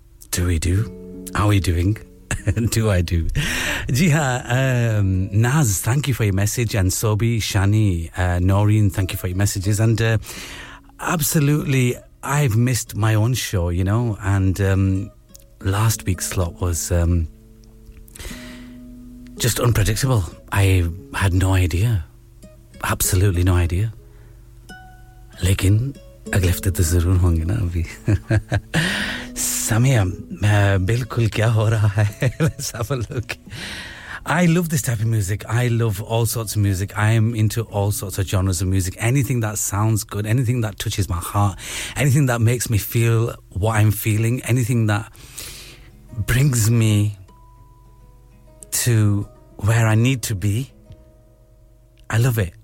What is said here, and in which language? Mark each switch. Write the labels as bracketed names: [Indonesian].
[English] Do we do? How are we doing? Do I do? Jiha, Naz, thank you for your message, and Sobi, Shani, Noreen, thank you for your messages. And absolutely, I've missed my own show, you know, and last week's slot was just unpredictable. I had no idea. Absolutely no idea. [Hindi] लेकिन अगले हफ्ते तो जरूर होंगे ना अभी। समय बिल्कुल क्या हो रहा है। [English] Let's have a look. I love this type of music. I love all sorts of music. I am into all sorts of genres of music. Anything that sounds good, anything that touches my heart, anything that makes me feel what I'm feeling, anything that brings me to where I need to be, I love it.